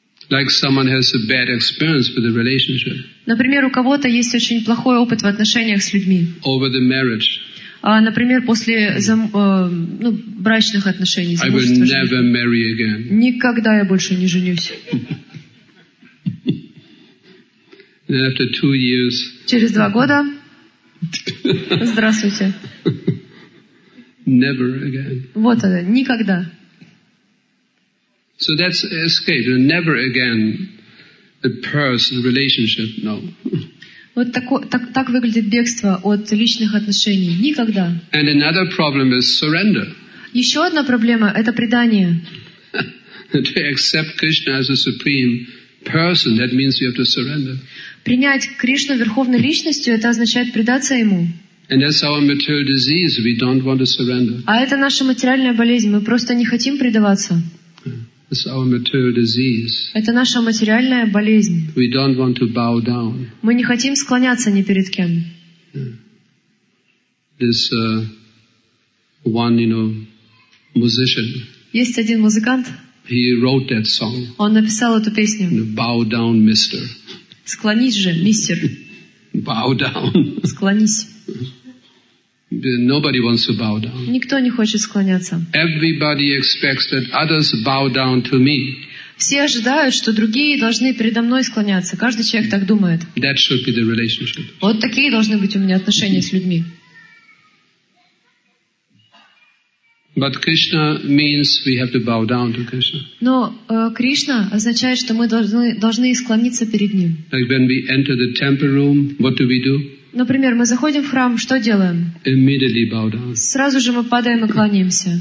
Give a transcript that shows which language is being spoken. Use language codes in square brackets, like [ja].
[en] Like someone has a bad experience with a relationship. [ru] Например, у кого-то есть очень плохой опыт в отношениях с людьми. [en] Over the marriage. [ru] Например, после брачных отношений. [en] I will never marry again. [ru] Никогда я больше не женюсь. [en] And after 2 years. [ru] Через 2 года. Здравствуйте. [en] Never again. [ru] Вот она, никогда. [en] So that's escape. Never again a person relationship. No. [ru] Вот так выглядит бегство от личных отношений. Никогда. [en] And another problem is surrender. [ru] Еще одна проблема – это предание. [en] To accept Krishna as a supreme person, that means you have to surrender. [ru] Принять Кришну верховной личностью – это означает предаться ему. [en] And that's our material disease. We don't want to surrender. [ru] А это наша материальная болезнь. Мы просто не хотим предаваться. [en] It's our material disease. [ru] Это наша материальная болезнь. [en] We don't want to bow down. [ru] Мы не хотим склоняться ни перед кем. [en] This musician. [ru] Есть один музыкант. [en] He wrote that song. [ru] Он написал эту песню. [en] Bow down, mister. [ru] Склонись же, мистер. [en] Bow down. [ru] Склонись. [en] Nobody wants to bow down. [ru] Никто не хочет склоняться. [en] Everybody expects that others bow down to me. [ru] Все ожидают, что другие должны передо мной склоняться. Каждый человек так думает. [en] That should be the relationship. [ru] Вот такие должны быть у меня отношения с людьми. [en] But Krishna means we have to bow down to Krishna. [ru] Но Кришна означает, что мы должны склониться перед ним. [en] Like when we enter the temple room, what do we do? [ru] Например, мы заходим в храм, что делаем? [en] Immediately bow down. [ru] Сразу же мы падаем и кланяемся.